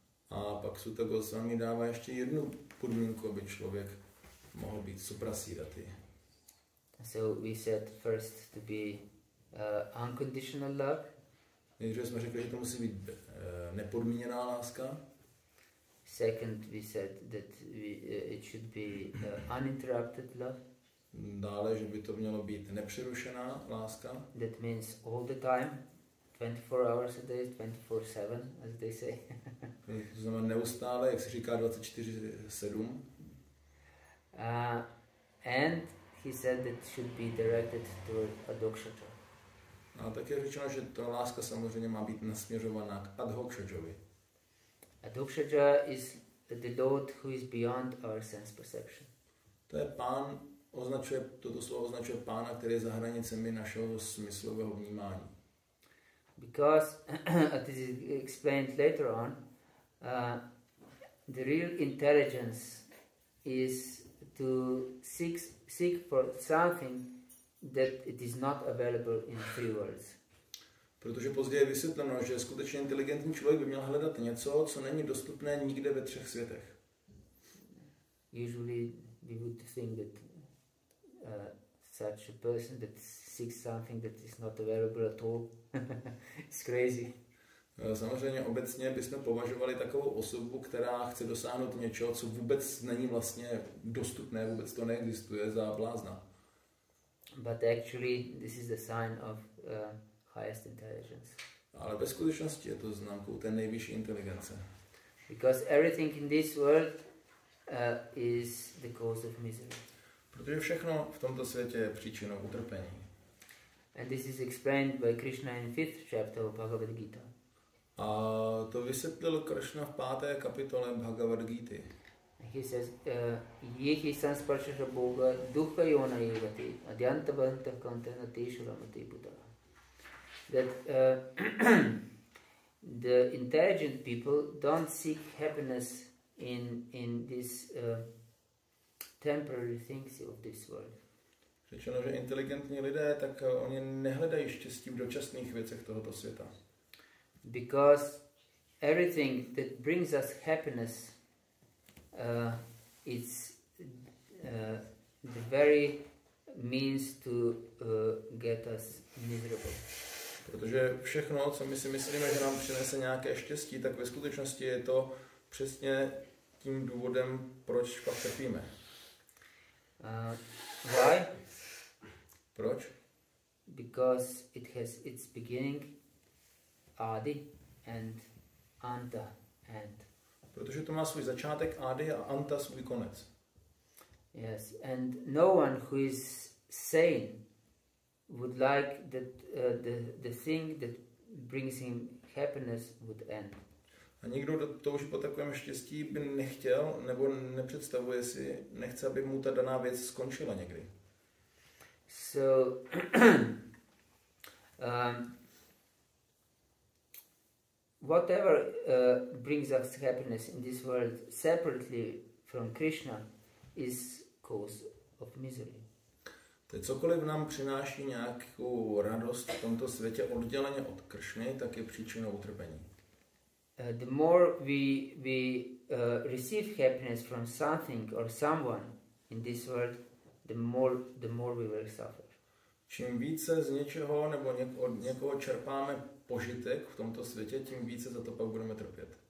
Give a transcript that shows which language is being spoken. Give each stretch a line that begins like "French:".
Czech: A pak Sutta Goswami dává ještě jednu podmínku, aby člověk mohl být superseded.
English: So we said first to be unconditional love.
Czech: Nejdřív jsme řekli, že to musí být nepodmíněná láska.
English: Second, we said that it should be uninterrupted love.
Czech: Dále, že by to mělo být nepřerušená láska.
English: That means all the time, 24 hours a day, 24/7, as they say.
Czech: To znamená neustále, jak se říká, 24/7.
English: And he said that it should be directed toward adhokshata.
Czech: A také řečeno, že ta láska samozřejmě má být nasměřovaná k adhokshatovi.
English: Adhokshata is the Lord who is beyond our sense perception.
Czech: To je pán, označuje, toto slovo označuje pána, který je za hranicemi našeho smyslového vnímání.
English: Because, as is explained later on, the real intelligence is to seek for something that it is not available in three worlds.
Czech: Protože později je vysvětleno, že skutečně inteligentní člověk by měl hledat něco, co není dostupné nikde ve třech světech.
English: Usually we would think that such a person that seeks something that is not available at all is crazy.
Czech: Samozřejmě obecně bychom považovali takovou osobu, která chce dosáhnout něčeho, co vůbec není vlastně dostupné, vůbec to neexistuje, za blázna.
English: But actually this is the sign of highest intelligence.
Czech: Ale ve skutečnosti je to známkou té nejvyšší inteligence.
English: Because everything in this world is the cause of misery.
Czech: Protože všechno v tomto světě je příčinou utrpení.
English: And this is explained by Krishna in fifth chapter of Bhagavad Gita.
Czech: A to vysvětlil Krishna v páté kapitole Bhagavad Gita.
English: He says,
Sanskrit: yehi sansparsha boga dukha yona yogati adyanta vanta kantena teshuramati buddha.
English: That the intelligent people don't seek happiness in this temporary things of this world.
Czech: Řečeno, že inteligentní lidé, tak oni nehledají štěstí v dočasných věcech tohoto světa.
English: Because everything that brings us happiness it's the very means to get us miserable.
Czech: Protože všechno, co my si myslíme, že nám přinese nějaké štěstí, tak ve skutečnosti je to přesně tím důvodem, proč pak trpíme.
English: Why?
Czech: Proč?
English: Because it has its beginning, Adi and Anta and.
Czech: Protože to má svůj začátek Adi a Anta svůj konec.
English: Yes, and no one who is sane would like that the thing that brings him happiness would end.
Czech: A nikdo touží po takovém štěstí by nechtěl nebo nepředstavuje si, nechce, aby mu ta daná věc skončila někdy.
English: So whatever brings us happiness in this world separately from Krishna is cause of misery.
Czech: To je cokoliv nám přináší nějakou radost v tomto světě odděleně od Krishny, tak je příčinou utrpení.
English: The more we receive happiness from something or someone in this world, the more we will suffer.
Czech: Čím více z něčeho nebo od někoho čerpáme požitek v tomto světě, tím více za to pak budeme trpět.